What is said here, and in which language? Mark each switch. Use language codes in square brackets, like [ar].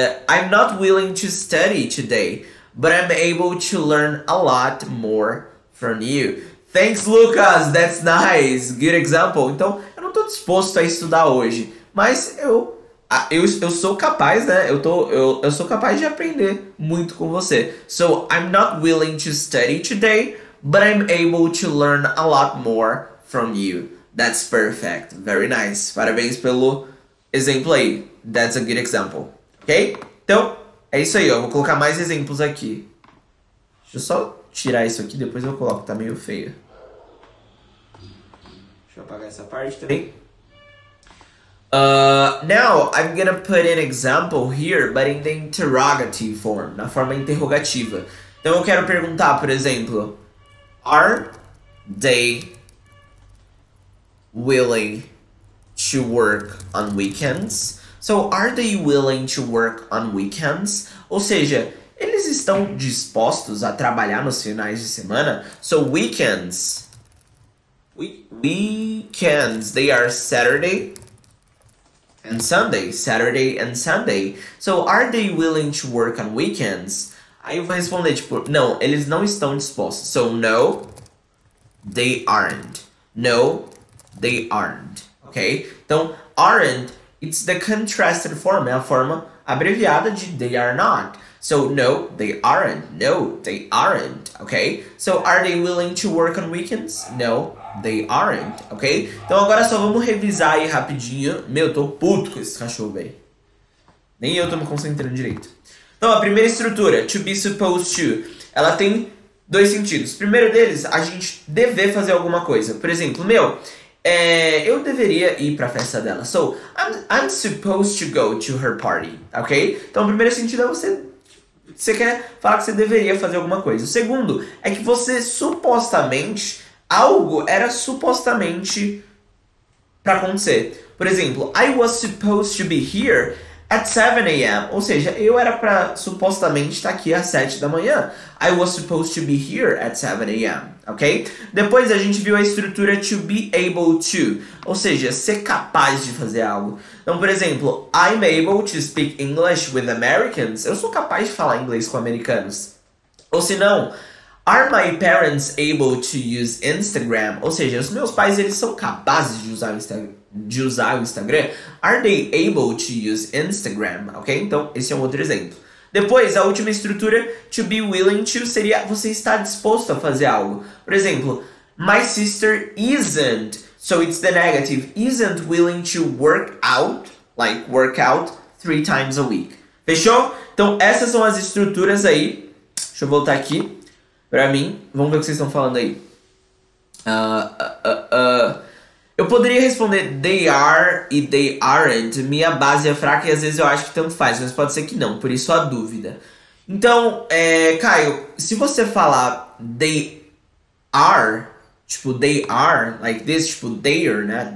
[en] I'm not willing to study today, but I'm able to learn a lot more from you. Thanks, Lucas. That's nice. Good example. [pt] Então, eu não tô disposto a estudar hoje, mas eu sou capaz, né? Eu sou capaz de aprender muito com você. [en] So, I'm not willing to study today, but I'm able to learn a lot more from you. That's perfect. Very nice. [pt] Parabéns pelo exemplo aí. [en] That's a good example. [pt] Ok? Então, é isso aí, ó. Vou colocar mais exemplos aqui. Deixa eu só tirar isso aqui, depois eu coloco. Tá meio feio. Deixa eu apagar essa parte também. [en] Now I'm gonna put an example here, but in the interrogative form, [pt] na forma interrogativa. Então eu quero perguntar, por exemplo, [en] are they willing to work on weekends? So, are they willing to work on weekends? [pt] Ou seja, eles estão dispostos a trabalhar nos finais de semana? [en] So, weekends. Weekends, they are Saturday and Sunday, Saturday and Sunday. So, are they willing to work on weekends? [pt] Aí eu vou responder, tipo, não, eles não estão dispostos. [en] So, no, they aren't. No, they aren't. Ok? [pt] Então, aren't, [en] it's the contrasted form, [pt] é a forma abreviada de [en] they are not. So, no, they aren't. No, they aren't. Ok? So, are they willing to work on weekends? No. They aren't, ok? [pt] Então agora só vamos revisar aí rapidinho. Meu, tô puto com esse cachorro, velho. Nem eu tô me concentrando direito. Então, a primeira estrutura, to be supposed to, ela tem dois sentidos. Primeiro deles, a gente dever fazer alguma coisa. Por exemplo, meu, eu deveria ir pra festa dela. [en] So, I'm supposed to go to her party, ok? [pt] Então, o primeiro sentido é você quer falar que você deveria fazer alguma coisa. O segundo é que você supostamente. Algo era supostamente para acontecer. Por exemplo, [en] I was supposed to be here at 7 a.m. [pt] Ou seja, eu era para supostamente estar tá aqui às 7 da manhã. [en] I was supposed to be here at 7 a.m. Ok? [pt] Depois a gente viu a estrutura [en] to be able to. [pt] Ou seja, ser capaz de fazer algo. Então, por exemplo, [en] I'm able to speak English with Americans. [pt] Eu sou capaz de falar inglês com americanos. Ou se não. [en] Are my parents able to use Instagram? [pt] Ou seja, os meus pais eles são capazes de usar o Instagram? [en] Are they able to use Instagram? Ok? [pt] Então, esse é um outro exemplo. Depois, a última estrutura, [en] to be willing to, [pt] seria você estar disposto a fazer algo. Por exemplo, [en] my sister isn't, so it's the negative, isn't willing to work out, like work out 3 times a week. [pt] Fechou? Então, essas são as estruturas aí. Deixa eu voltar aqui. Pra mim, vamos ver o que vocês estão falando aí. Eu poderia responder they are e they aren't. Minha base é fraca e às vezes eu acho que tanto faz, mas pode ser que não, por isso a dúvida. Então, Caio, se você falar they are, tipo [en] they are, like this, [pt] tipo they're, né?